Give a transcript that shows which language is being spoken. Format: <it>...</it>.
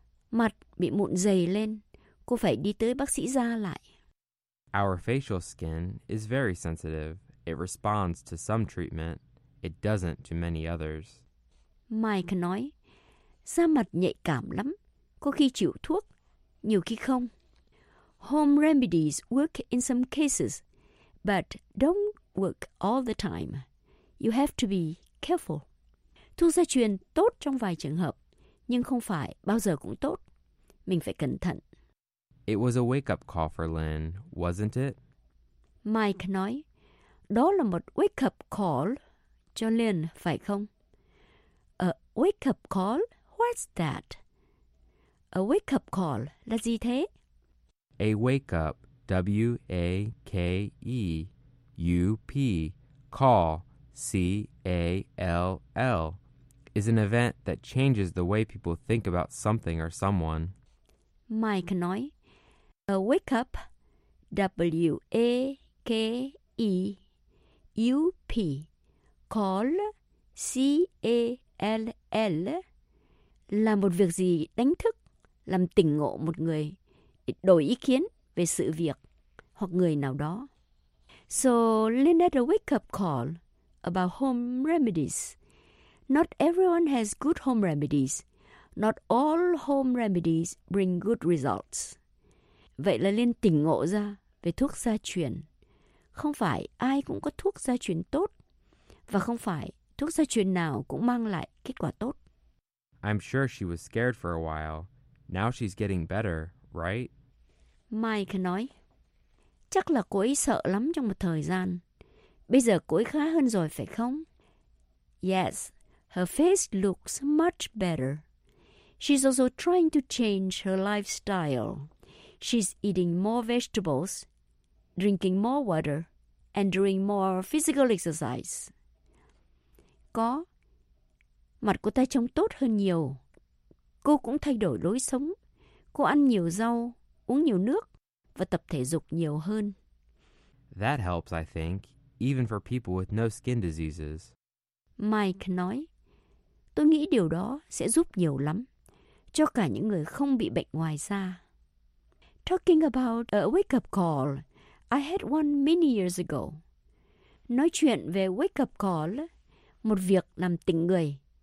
<vi>Mặt bị mụn dày lên. Cô phải đi tới bác sĩ da lại.</vi> <en>Our facial skin is very sensitive. It responds to some treatment. It doesn't to many others.</en> <vi>Mike nói, da mặt nhạy cảm lắm. Có khi chịu thuốc, nhiều khi không.</vi> <en>Home remedies work in some cases, but don't work all the time. You have to be careful.</en> <vi>Thuốc gia truyền tốt trong vài trường hợp, nhưng không phải bao giờ cũng tốt. Mình phải cẩn thận.</vi> <en>It was a wake-up call for Lynn, wasn't it?</en> <vi>Mike nói, đó là một wake-up call cho Lynn, phải không?</vi> <en>A wake-up call? What's that? A wake-up call</en> <vi>là gì thế?</vi> <en>A wake-up, W-A-K-E-U-P, call, C-A-L-L, is an event that changes the way people think about something or someone.</en> <vi>Mike nói, a wake-up, W-A-K-E-U-P, call, C-A-L-L, là một việc gì đánh thức, làm tỉnh ngộ một người, đổi ý kiến về sự việc hoặc người nào đó.</vi> <en>So, Lynn had a wake-up call about home remedies. Not everyone has good home remedies. Not all home remedies bring good results.</en> <vi>Vậy là Lynn tỉnh ngộ ra về thuốc gia truyền. Không phải ai cũng có thuốc gia truyền tốt. Và không phải thuốc gia truyền nào cũng mang lại kết quả tốt.</vi> <en>I'm sure she was scared for a while. Now she's getting better, right?</en> <vi>Mike nói, chắc là cô ấy sợ lắm trong một thời gian. Bây giờ cô ấy khá hơn rồi, phải không?</vi> <en>Yes, her face looks much better. She's also trying to change her lifestyle. She's eating more vegetables, drinking more water, and doing more physical exercise.</en> <vi>Có. Mặt cô ta trông tốt hơn nhiều. Cô cũng thay đổi lối sống. Cô ăn nhiều rau, uống nhiều nước và tập thể dục nhiều hơn.</vi> <en>That helps, I think, even for people with no skin diseases.</en> <vi>Mike nói, tôi nghĩ điều đó sẽ giúp nhiều lắm cho cả những người không bị bệnh ngoài da.</vi> <en>Talking about a wake-up call, I had one many years ago.</en> <vi>Nói chuyện về wake-up call, một việc làm tỉnh người.</vi>